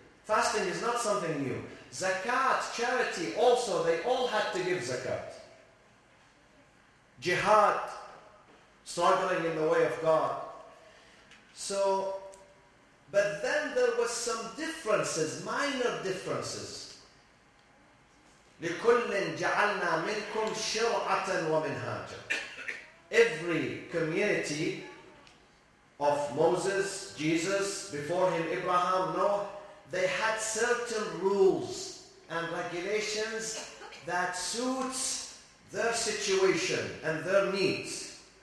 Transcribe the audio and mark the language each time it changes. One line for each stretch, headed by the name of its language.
English: Fasting is not something new. Zakat, charity, also, they all had to give zakat. Jihad, struggling in the way of God. So, but then there was some differences, minor differences,
Arabic: لكل جعلنا منكم شرعة ومنهاجا.
English: Every community of Moses, Jesus, before him Abraham, Noah, they had certain rules and regulations that suits their situation and their needs.